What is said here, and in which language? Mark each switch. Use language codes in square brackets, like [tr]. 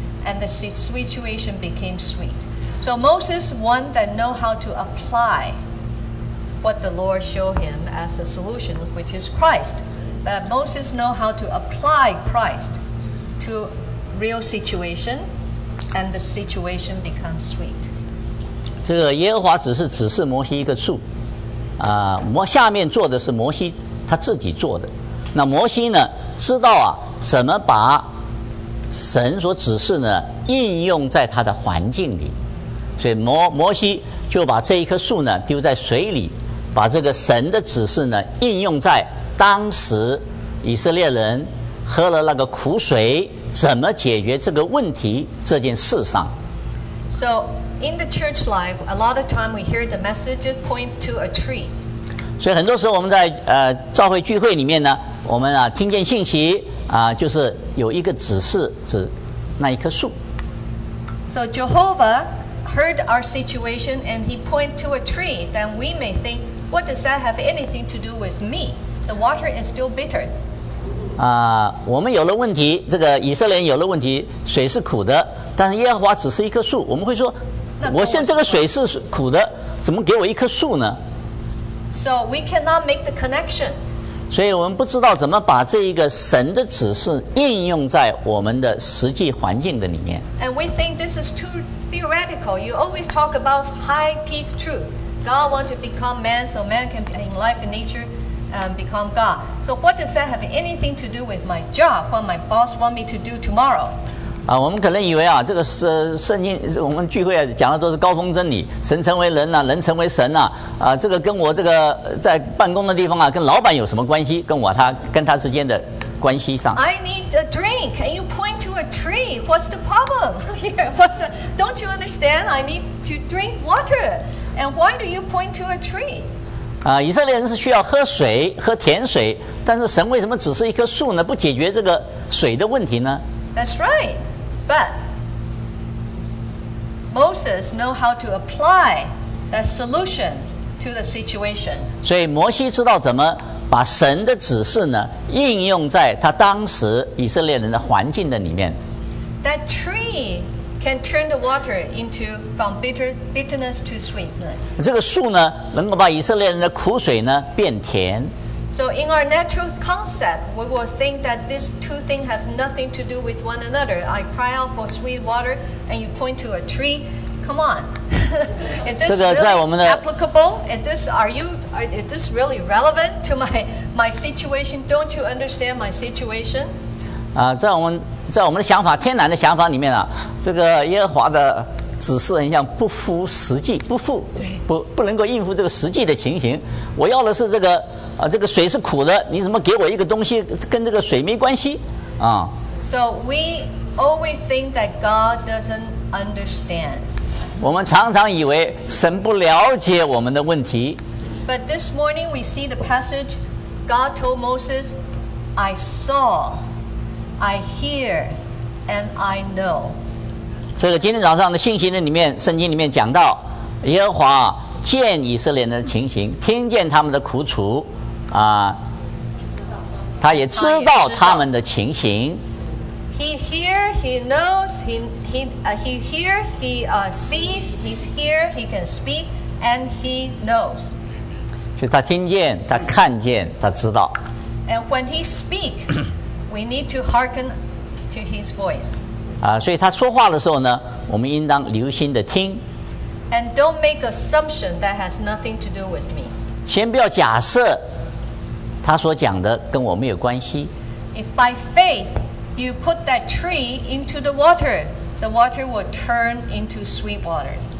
[en] And the situation became sweet. So Moses, one that know how to apply what the Lord showed him as a solution, which is Christ. But Moses know how to apply Christ to real situation, and the situation becomes sweet. [zh] 这个耶和华只是指示摩西一个树，下面做的是摩西他自己做的。那摩西呢，知道啊，怎么把。神所指示呢应用在他的环境里所以 摩西就把这一棵树呢丢在水里把这个神的指示呢应用在当时以色列人喝了那个苦水怎么解决这个问题这件事上 [en] So in the church life a lot of time we hear the message point to a tree [zh] 所以很多时候我们在教会聚会里面呢我们啊听见信息就是有一个指示指那一棵树 [en] So Jehovah heard our situation and he pointed to a tree then we may think what does that have anything to do with me the water is still bitter [zh] 我们有了问题这个以色列有了问题水是苦的但是耶和华只是一棵树我们会说我现在这个水是苦的怎么给我一棵树呢 [en] So we cannot make the connection [zh] 所以我们不知道怎么把这一个神的指示应用在我们的实际环境的里面。 [en] And we think this is too theoretical. You always talk about high peak truth. God wants to become man so man can be in life and nature and become God. So what does that have anything to do with my job, what my boss want me to do tomorrow? [zh] 我们可能以为啊，这个是圣经，我们聚会讲的都是高峰真理，神成为人呐、啊，人成为神呐、啊，这个跟我这个在办公的地方啊，跟老板有什么关系？跟他之间的关系上。 [en] I need a drink, and you point to a tree. What's the problem? What's the, don't you understand? I need to drink water, and why do you point to a tree? [zh] 以色列人是需要喝水，喝甜水，但是神为什么只是一棵树呢？不解决这个水的问题呢？ [en] That's right, but Moses know how to apply that solution to the situation. [zh] 所以摩西知道怎么把神的指示呢应用在他当时以色列人的环境的里面。 [en] That tree can turn the water into from bitterness to sweetness. [zh] 这个树呢能够把以色列人的苦水呢变甜。 [en] So in our natural concept, we will think that these two things have nothing to do with one another. I cry out for sweet water, and you point to a tree. Come on. Is this really applicable? Is this really relevant to my situation? Don't you understand my situation? [zh] 在我们的想法，天然的想法里面啊，这个耶和华的指示很像不符实际，不能够应付这个实际的情形。我要的是这个。这个水是苦的，你怎么给我一个东西跟这个水没关系？ [en] So we always think that God doesn't understand. [zh] 我们常常以为神不了解我们的问题。 [en] But this morning we see the passage, God told Moses, I saw, I hear, and I know. [zh] 这个今天早上的信息里面，圣经里面讲到，耶和华见以色列人的情形，听见他们的苦楚，啊，他也知道他们的情形。 [en] He hears, he knows, he hears, he sees, he's here, he can speak, and he knows. [zh] 就他听见，他看见，他知道。 [en] And when he speaks, we need to hearken to his voice. [zh] 啊，所以他说话的时候呢，我们应当留心的听。 [en] And don't make assumption that has nothing to do with me. [zh] 先不要假设他所讲的跟我没有关系。 [en] If by faith you put that tree into the water will turn into sweet water.